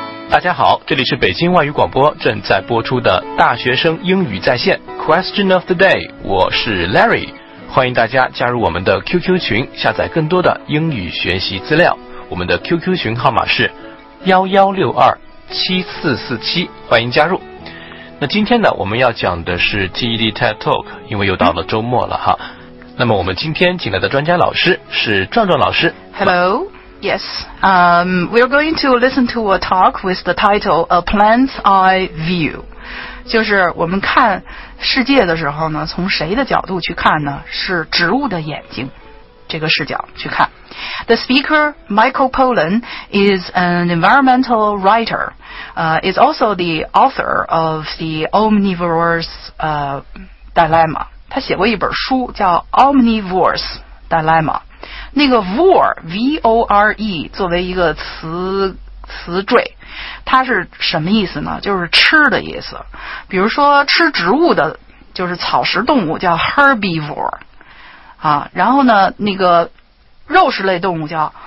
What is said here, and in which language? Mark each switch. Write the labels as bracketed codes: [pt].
[zh] 大家好，这里是北京外语广播正在播出的大学生英语在线 Question of the day，我是 Larry， 欢迎大家加入我们的 QQ 群，下载更多的英语学习资料。我们的 QQ 群号码是11627447，欢迎加入。那今天呢，我们要讲的是 TED TED Talk， 因为又到了周末了哈。那么我们今天请来的专家老师是壮壮老师。 [en] Hello. Yes, we're going to listen to a talk with the title A Plant's Eye View. [zh] 就是我们看世界的时候呢，从谁的角度去看呢？是植物的眼睛，这个视角去看。 [en] The speaker, Michael Pollan, is an environmental writer, is also the author of the Omnivore's Dilemma. [zh] 他写过一本书叫 Omnivore's Dilemma. 那个 vore V-O-R-E 作为一个词缀，它是什么意思呢？就是吃的意思。比如说吃植物的就是草食动物叫 herbivore 啊，然后呢那个肉食类动物叫